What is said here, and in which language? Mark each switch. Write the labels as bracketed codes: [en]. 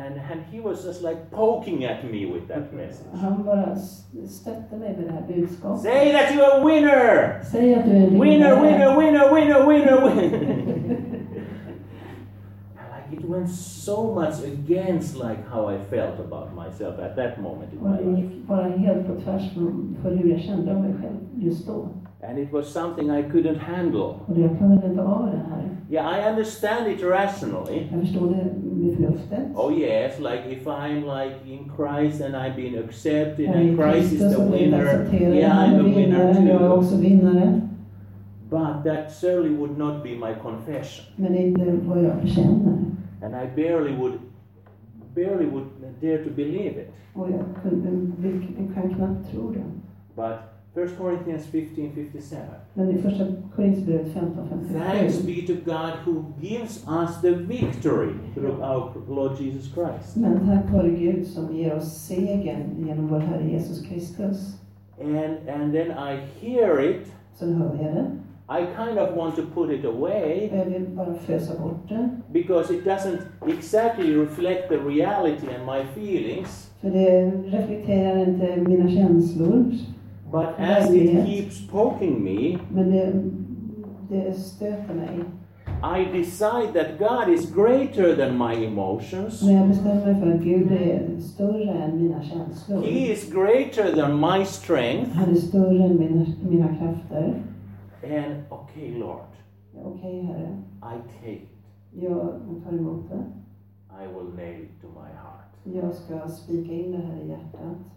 [en] And he was just like poking at me with that message. [sv] Han bara stötte mig med det här budskapet. [en] Say that you are a winner. [sv] Säg att du är en vinnare. [en] Winner, winner, winner, winner, winner, winner. Like it went so much against like how I felt about myself at that moment in my life. [sv] Det gick bara helt på tvärs för hur jag kände mig själv just då. [en] And it was something I couldn't handle. [sv] Och jag kunde inte av det här. [en] Yeah, I understand it rationally. [sv] Jag förstår det med förnuftet. [en] Oh yes, like if I'm like in Christ and I've been accepted and Christ is the winner. Yeah, I'm a winner too. [sv] Jag är också vinnare. [en] But that certainly would not be my confession. [sv] Men det är inte vad jag bekänner. [en] And I barely would dare to believe it. [sv] Och jag kan knappt tro det. [en] But 1 Corinthians 15:57. [sv] Men i första Korinthierbrevet 15:57. [en] Thanks be to God who gives us the victory through our Lord Jesus Christ. [sv] Men tack vare Gud som ger oss segern genom vår Herre Jesus Kristus. [en] And then I hear it. [sv] Så hör jag det. [en] I kind of want to put it away. [sv] Jag vill bara fösa bort det. [en] Because it doesn't exactly reflect the reality and my feelings. [sv] För det reflekterar inte mina känslor. [en] But as it keeps poking me, [sv] men det stöter mig. [en] I decide that God is greater than my emotions. [sv] Men jag bestämmer mig för att Gud är större än mina känslor. [en] He is greater than my strength. [sv] Han är större än mina krafter. [en] And okay, Lord. [sv] Okay, Herre. [en] I take it. [sv] Jag tar emot det. [en] I will nail it to my heart. [sv] Jag ska spika in det här i hjärtat.